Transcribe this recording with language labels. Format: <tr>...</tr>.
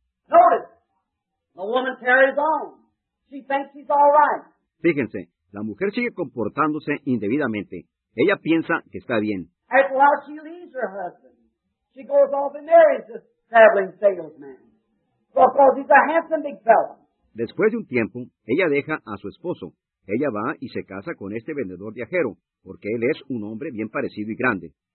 <en>Notice, the woman carries on. She thinks she's all right.</en> <es>Fíjense, la mujer sigue comportándose indebidamente. Ella piensa que está bien.</es> <en>That's why she leaves her husband. She goes off and marries this traveling salesman. Because he's a handsome big fellow.</en> <es>Después de un tiempo, ella deja a su esposo. Ella va y se casa con este vendedor viajero, porque él es un hombre bien parecido y grande.</es>